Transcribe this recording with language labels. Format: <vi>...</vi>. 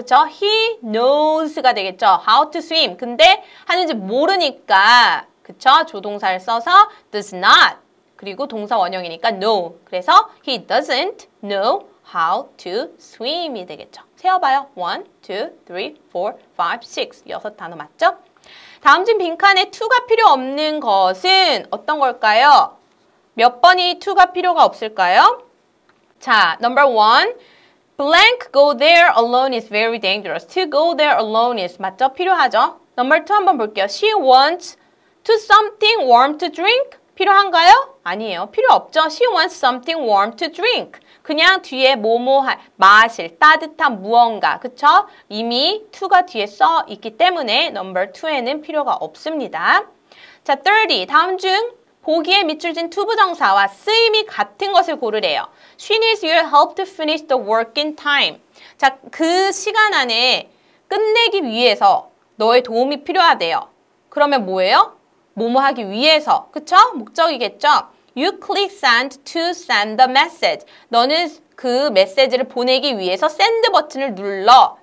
<ko>그쵸?</ko> <en>He knows가 되겠죠. How to swim.</en> <ko>근데 하는지 모르니까, 그쵸? 조동사를 써서</ko> <en>does not.</en> <ko>그리고 동사 원형이니까 no.</ko> <en>그래서 he doesn't know how to swim이 되겠죠.</en> <ko>세어봐요. 1, 2, 3, 4, 5, 6. 여섯 단어 맞죠? 다음 중 빈칸에 to가 필요 없는 것은 어떤 걸까요? 몇 번이 to가 필요가 없을까요?</ko> <en>자, number one. Blank go there alone is very dangerous. To go there alone is 맞죠?</en> <ko>필요하죠?</ko> <en>Number two 한번 볼게요. She wants to something warm to drink.</en> <ko>필요한가요? 아니에요. 필요 없죠?</ko> <en>She wants something warm to drink.</en> <ko>그냥 뒤에 뭐뭐 마실 따뜻한 무언가. 그쵸? 이미 to가 뒤에 써 있기 때문에 number two에는 필요가 없습니다. 자, 30. 다음 중 보기에 밑줄진 to 부정사와 쓰임이 같은 것을 고르래요.</ko> <en>She needs your help to finish the work in time.</en> <ko>자, 그 시간 안에 끝내기 위해서 너의 도움이 필요하대요. 그러면 뭐예요? 뭐뭐 하기 위해서. 그쵸? 목적이겠죠?</ko> <en>You click send to send the message.</en> <ko>너는 그 메시지를 보내기 위해서 send 버튼을 눌러.</ko>